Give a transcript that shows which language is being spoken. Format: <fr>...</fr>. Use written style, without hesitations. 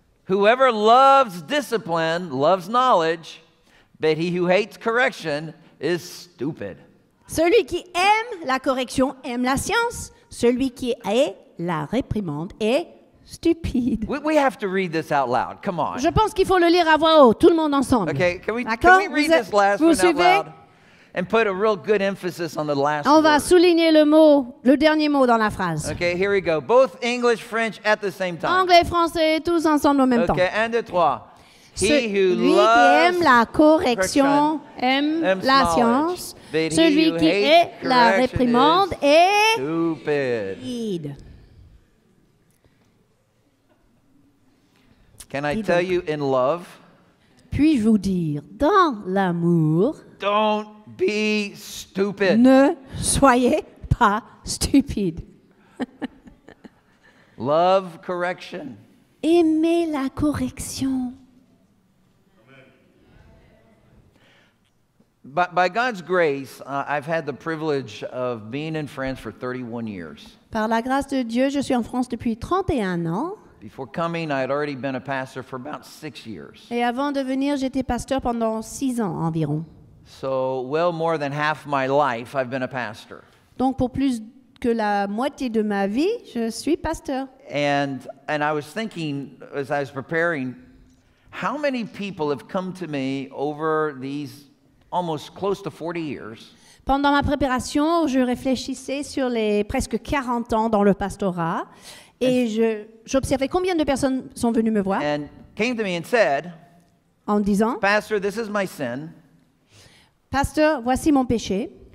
<en>Whoever loves discipline loves knowledge, but he who hates correction is stupid.</en> <fr>Celui qui aime la correction aime la science, celui qui hait la réprimande est stupide.</fr> <en>We have to read this out loud. Come on.</en> <fr>Je pense qu'il faut le lire à voix haute, tout le monde ensemble.</fr> <en>Okay, can we read this last one out loud and put a real good emphasis on the last</en> <fr>word. On va souligner le dernier mot dans la phrase.</fr> <en>Okay, here we go. Both English, French at the same time.</en> <fr>Anglais, français, tous ensemble en même temps.</fr> <en>Okay, 1, 2, 3. He who loves</en> <fr>qui aime la correction aime la science. Celui qui hait la réprimande est stupide.</fr> <en>Can I tell you in love?</en> <fr>Puis-je vous dire dans l'amour?</fr> <en>Don't be stupid.</en> <fr>Ne soyez pas stupide.</fr> <en>Love correction.</en> <fr>Aimez la correction.</fr> <en>By God's grace, I've had the privilege of being in France for 31 years.</en> <fr>Par la grâce de Dieu, je suis en France depuis 31 ans.</fr> <en>Before coming, I had already been a pastor for about 6 years.</en> <fr>Et avant de venir, j'étais pasteur pendant 6 ans environ.</fr> <en>So, well more than half my life, I've been a pastor.</en> <fr>Donc pour plus que la moitié de ma vie, je suis pasteur.</fr> <en>And I was thinking, as I was preparing, how many people have come to me over these almost close to 40 years?</en> <fr>Pendant ma préparation, je réfléchissais sur les presque 40 ans dans le pastorat. Et j'observais combien de personnes sont venues me voir.</fr> <en>And came to me and said,</en> <fr>en disant,</fr> <en>Pastor, this is my sin.</en> <fr>Pasteur, voici mon péché.</fr>